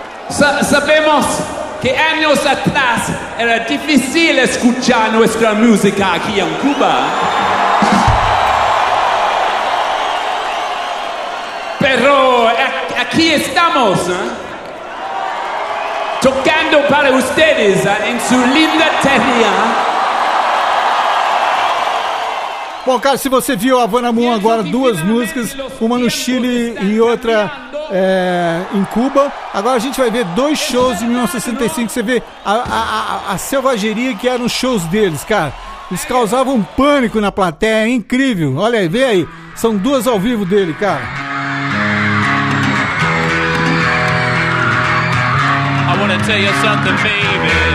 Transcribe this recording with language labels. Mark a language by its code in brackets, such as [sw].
[es] Sabemos que años atrás era difícil escuchar nuestra música aquí en Cuba. Pero aquí estamos, tocando para ustedes en su linda tierra. [pt] Bom, cara, se você viu a Vanna Moon agora, duas músicas, uma no Chile e outra em Cuba. Agora a gente vai ver dois shows em 1965, você vê a selvageria que eram os shows deles, cara. Eles causavam um pânico na plateia, é incrível. Olha aí, vê aí, são duas ao vivo dele, cara. [en] I wanna tell you something, baby.